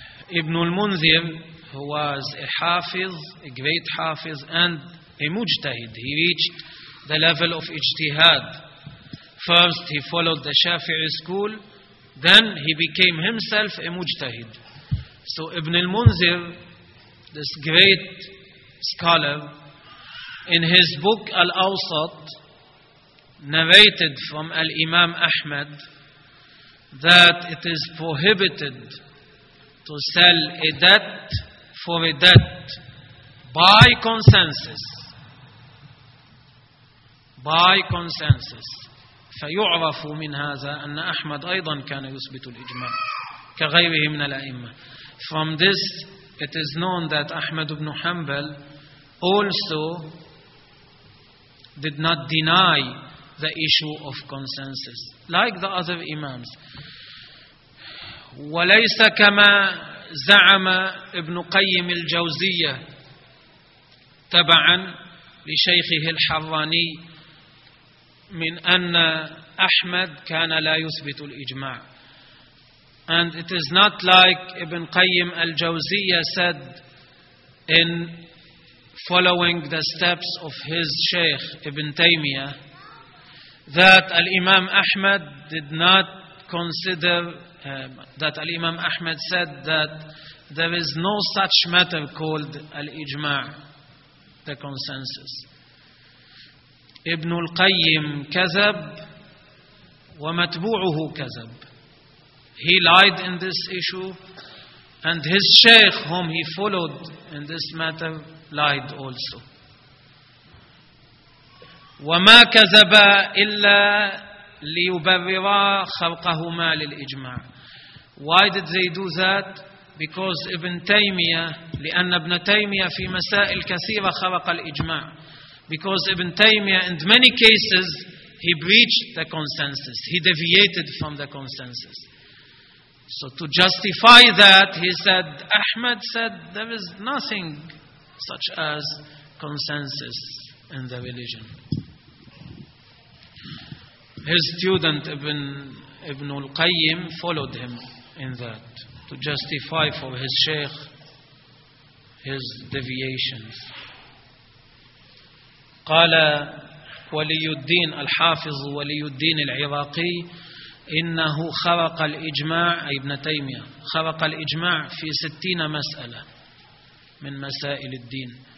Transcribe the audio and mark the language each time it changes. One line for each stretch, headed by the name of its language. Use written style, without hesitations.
Arabic: ابن المنذر هو حافظ,
English: a great حافظ and a مجتهد. He reached the level of اجتهاد. First he followed the Shafi'i school, then he became himself a مجتهد. So Ibn al-Munzir, this great scholar, in his book Al-Awsat, narrated from Al-Imam Ahmad that it is prohibited to sell a debt for a debt by consensus. By consensus.
Arabic: فيعرف من هذا أن أحمد أيضا كان يثبت الإجماع كغيره من الأئمة.
English: From this it is known that Ahmad ibn Hanbal also did not deny the issue of consensus like the other imams.
Arabic: وليس كما زعم ابن قيم الجوزية تبعا لشيخه الحراني من أن أحمد كان لا يثبت الإجماع.
English: And it is not like Ibn Qayyim al-Jawziyya said in following the steps of his Shaykh Ibn Taymiyyah that Al-Imam Ahmad did not consider that Al-Imam Ahmad said that there is no such matter called Al-Ijma', the consensus.
Arabic: Ibn al-Qayyim kazab wa matbu'uhu kazab.
English: He lied in this issue, and his sheikh, whom he followed in this matter, lied also.
Arabic: وَمَا كَذَبَا إِلَّا لِيُبَرِّرَا خَرْقَهُمَا لِلْإِجْمَعِ.
English: Why did they do that? Because Ibn Taymiyyah,
Arabic: لِأَنَّ ابْنَ تَيْمِيَةَ فِي مَسَائِلْ كَثِيرَ خَرَقَ الْإِجْمَعِ.
English: Because Ibn Taymiyyah, in many cases, he breached the consensus. He deviated from the consensus. So to justify that, he said, Ahmad said, there is nothing such as consensus in the religion. His student, Ibn al-Qayyim, followed him in that, to justify for his sheikh his deviations.
Arabic: قال ولي الدين الحافظ ولي الدين العراقي إنه خرق الإجماع أي ابن تيمية خرق الإجماع في 60 مسألة من مسائل الدين.